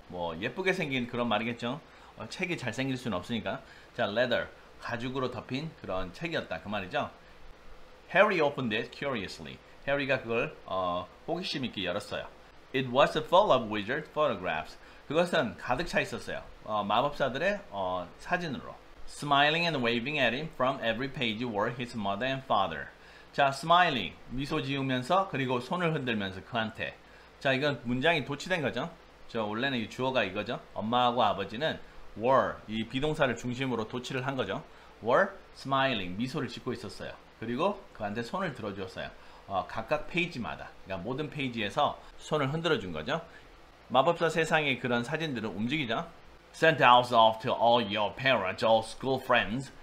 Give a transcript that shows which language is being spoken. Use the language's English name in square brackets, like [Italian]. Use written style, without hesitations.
[Korean] 뭐 예쁘게 생긴 그런 말이겠죠. 책이 잘생길 수는 없으니까. 자, leather 가죽으로 덮인 그런 책이었다 그 말이죠. [English] Harry opened it curiously. [Korean] Harry가 그걸 호기심 있게 열었어요. [English] It was full of wizard photographs. [Korean] 그것은 가득 차 있었어요. 마법사들의 사진으로. [English] Smiling and waving at him from every page were his mother and father. [Korean] 자, smiling, 미소 지으면서 그리고 손을 흔들면서 그한테. 자, 이건 문장이 도치된 거죠. 저 원래는 이 주어가 이거죠. 엄마하고 아버지는 were, 이 비동사를 중심으로 도치를 한 거죠. were smiling, 미소를 짓고 있었어요. 그리고 그한테 손을 들어주었어요. 각각 페이지마다, 그러니까 모든 페이지에서 손을 흔들어준 거죠. 마법사 세상의 그런 사진들은 움직이죠. [English] Sent out off to all your parents, all school friends.